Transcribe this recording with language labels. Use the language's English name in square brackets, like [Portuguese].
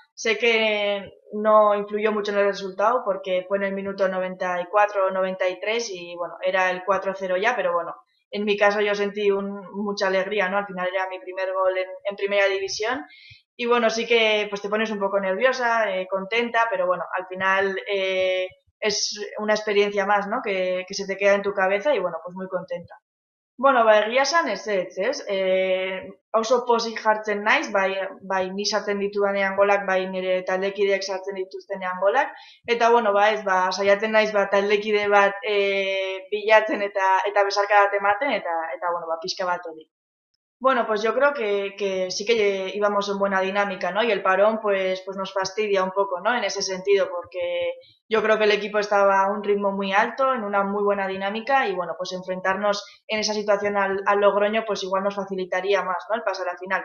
[Spanish] Sé que no influyó mucho en el resultado porque fue en el minuto 94 o 93 y bueno, era el 4-0 ya, pero bueno, en mi caso yo sentí mucha alegría, ¿no? Al final era mi primer gol en primera división Y bueno, sí que pues te pones un poco nerviosa, contenta, pero bueno, al final es una experiencia más, ¿no? Que se te queda en tu cabeza y bueno, pues muy contenta. [Basque] Bueno, ba, egia esan ez ez, ez? Oso pozik jartzen naiz, bai ni sartzen ditudanean golak, bai nire taldekideak sartzen dituztenean golak. Eta bueno, ba ez, ba, saiatzen naiz ba, taldekide bat bilatzen eta besarka bat ematen, eta bueno, ba, pixka bat hori. [Spanish] Bueno, pues yo creo que sí que íbamos en buena dinámica, ¿no? Y el parón, pues nos fastidia un poco, ¿no? En ese sentido, porque yo creo que el equipo estaba a un ritmo muy alto, en una muy buena dinámica, y bueno, pues enfrentarnos en esa situación al Logroño, pues igual nos facilitaría más, ¿no? El pasar a la final.